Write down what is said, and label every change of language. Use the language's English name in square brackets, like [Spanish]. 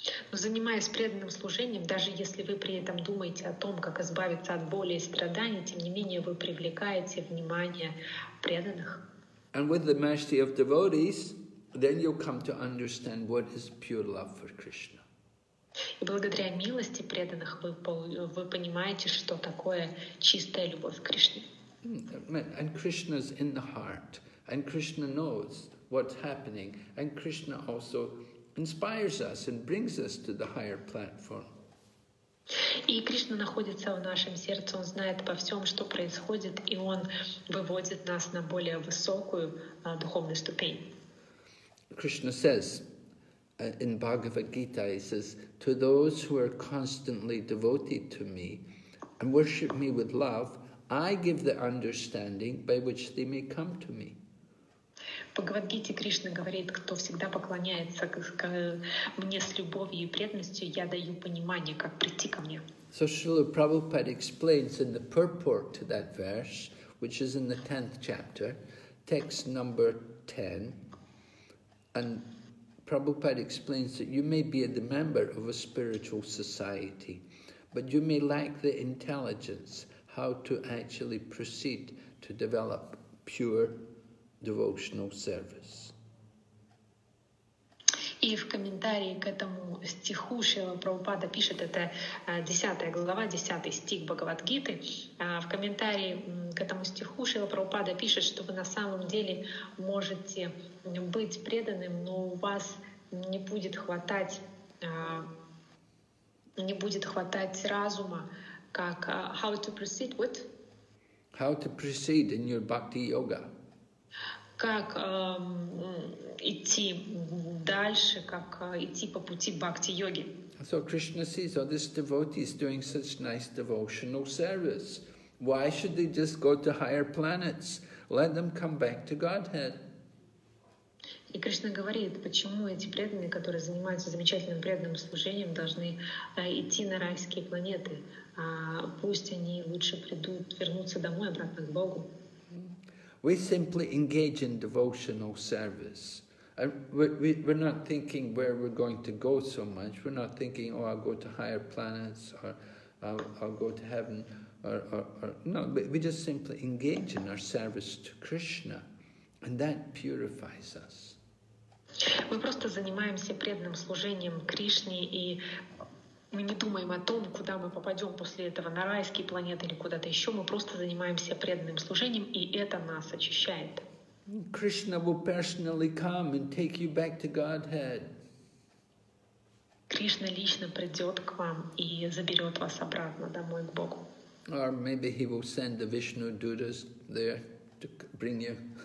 [Russian] Занимаясь преданным служением, даже если вы при этом думаете о том, как избавиться от боли и страданий, тем не менее вы привлекаете внимание преданных. [English] And with the mercy of devotees, then you'll come to understand what is pure love for Krishna. [Russian] И благодаря милости преданных вы понимаете, что такое чистая любовь к Кришне. [English] And Krishna's in the heart, and Krishna knows what's happening, and Krishna also inspires us and brings us to the higher platform. [Russian] И Кришна находится в нашем сердце, он знает обо всем, что происходит, и он выводит нас на более высокую духовную ступень. [English] Krishna says, in Bhagavad Gita, he says, to those who are constantly devoted to me and worship me with love, I give the understanding by which they may come to me. [Russian] Bhagavad Gita, Krishna говорит, кто всегда поклоняется мне с любовью и преданностью, я даю понимание, как прийти ко мне. [English] So Srila Prabhupada explains in the purport to that verse, which is in the 10th chapter, text number 10, and Prabhupada explains that you may be a member of a spiritual society, but you may lack the intelligence how to actually proceed to develop pure devotional service. [Russian] И в комментарии к этому стиху Шрила Прабхупада пишет, это 10 глава, 10 стих Бхагавад-гиты, в комментарии к этому стиху Шрила Прабхупада пишет, что вы на самом деле можете быть преданным, но у вас не будет хватать разума, как how to proceed with? [English] How to proceed in your bhakti yoga. [Russian] Как идти дальше, как идти по пути бхакти-йоги. [English] So Krishna sees all these devotees doing such nice devotional service. Why should they just go to higher planets? Let them come back to Godhead. [Russian] И Кришна говорит, почему эти преданные, которые занимаются замечательным преданным служением, должны идти на райские планеты? Пусть они лучше придут, вернутся домой, обратно к Богу. [English] We simply engage in devotional service. We're not thinking where we're going to go so much. We're not thinking, oh, I'll go to higher planets, or I'll go to heaven, or no. We just simply engage in our service to Krishna, and that purifies us. [Russian] Мы просто занимаемся преданным служением Кришне, и мы не думаем о том, куда мы попадем после этого, на райские планеты или куда-то еще. Мы просто занимаемся преданным служением, и это нас очищает. [English] Krishna will personally come and take you back to Godhead. [Russian] Кришна лично придет к вам и заберет вас обратно домой к Богу. [English] Or maybe he will send the Vishnu Dutas there to bring you.